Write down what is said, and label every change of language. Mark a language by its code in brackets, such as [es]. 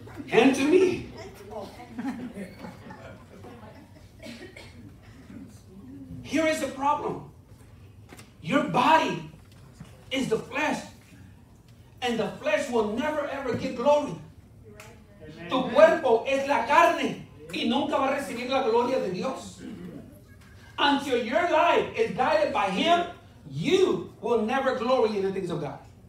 [en] And to me. Here is the problem. Your body is the flesh, and the flesh will never ever get glory. [es] Tu cuerpo es la carne y nunca va a recibir la gloria de Dios. [en] Until your life is guided by him, you will never glory in the things of God.